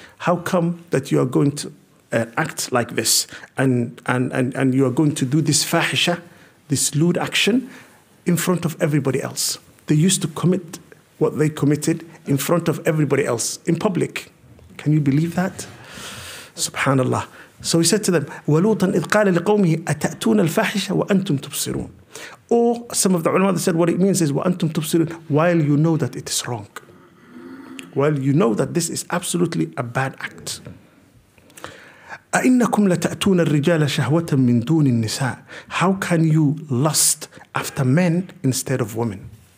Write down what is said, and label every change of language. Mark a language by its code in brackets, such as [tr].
[en] How come that you are going to act like this and you are going to do this fahisha, this lewd action in front of everybody else? They used to commit what they committed in front of everybody else in public. Can you believe that? Subhanallah. So he said to them, [ar] وَلُوطًا إِذْ قَالَ لِقَوْمِهِ أَتَأْتُونَ الْفَاحِشَةَ وَأَنْتُمْ تُبْصِرُونَ. [en] Or some of the ulama said what it means is, [ar] وَأَنْتُمْ تُبْصِرُونَ, [en] while you know that it is wrong. While you know that this is absolutely a bad act. [ar] أَإِنَّكُمْ لَتَأْتُونَ الرِّجَالَ شَهْوَةً مِّن دُونِ النِّسَاءِ. [en] How can you lust after men instead of women?